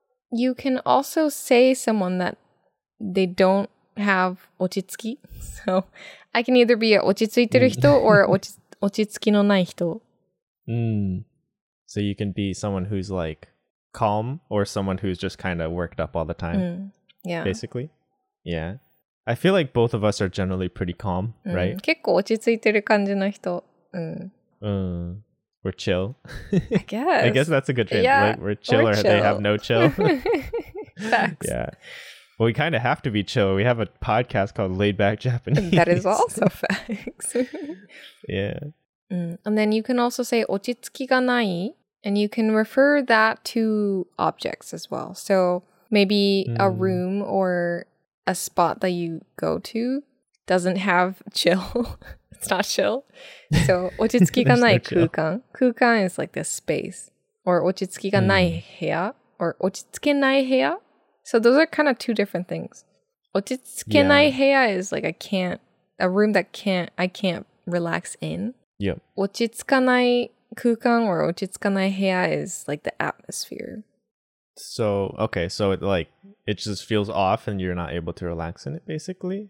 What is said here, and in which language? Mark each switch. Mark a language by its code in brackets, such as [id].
[en] You can also say someone that they don't have ochitsuki. So I can either be a ochitsuiteru hito or ochitsuki no nai hito. So you can be someone who's like calm or someone who's just kind of worked up all the time. Yeah. Basically. Yeah. I feel like both of us are generally pretty calm, right? [ja] 結構落ち着いてる感じの人。 [en] We're chill. I guess that's a good trend. Yeah, like, we're chill we're or chill. They have no chill. Facts. Yeah. Well, we kind of have to be chill. We have a podcast called Laid Back Japanese. That is also facts. Yeah. And then you can also say 落ち着きがない and you can refer that to objects as well. So maybe a room or a spot that you go to doesn't have chill. It's not chill. So, 落ち着きがない空間. 空間 is like this space. [ja] Or 落ち着きがない部屋.Or 落ち着けない部屋. [en] So, those are kind of two different things. 落ち着けない部屋 is like I can't, a room that can't, I can't relax in. Yep. 落ち着かない空間 or 落ち着かない部屋 is like the atmosphere. So, okay. So, it like, it just feels off and you're not able to relax in it, basically.